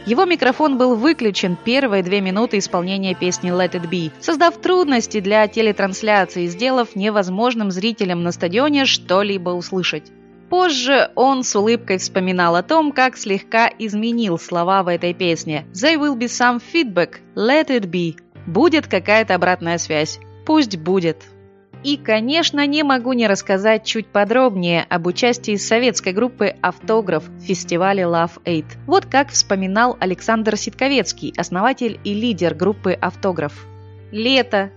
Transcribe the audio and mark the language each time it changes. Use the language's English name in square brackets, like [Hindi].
[Russian] Его микрофон был выключен первые две минуты исполнения песни «Let it be», создав трудности для телетрансляции, сделав невозможным зрителям на стадионе что-либо услышать. Позже он с улыбкой вспоминал о том, как слегка изменил слова в этой песне. [English] There will be some feedback, let it be. [Russian] Будет какая-то обратная связь. Пусть будет. И, конечно, не могу не рассказать чуть подробнее об участии советской группы «Автограф» в фестивале Love Aid. Вот как вспоминал Александр Ситковецкий, основатель и лидер группы «Автограф». Лето.